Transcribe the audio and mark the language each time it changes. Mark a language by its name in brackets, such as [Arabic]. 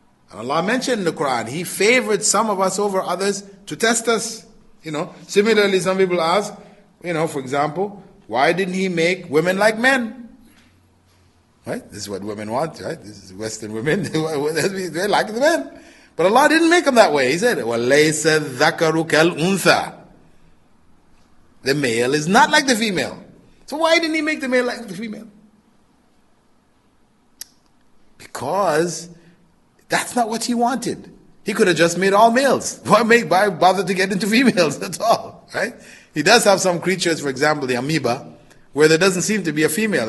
[English] And Allah mentioned in the Quran, He favored some of us over others to test us. You know, similarly, some people ask, you know, for example, why didn't He make women like men? Right? This is what women want, right? This is Western women. They like the men. But Allah didn't make them that way. He said, [Arabic] وَلَيْسَ ذَكَرُ كَالْأُنْثَى. [English] The male is not like the female. So why didn't He make the male like the female? Because that's not what He wanted. He could have just made all males. Why bother to get into females at all? Right? He does have some creatures, for example, the amoeba, where there doesn't seem to be a female.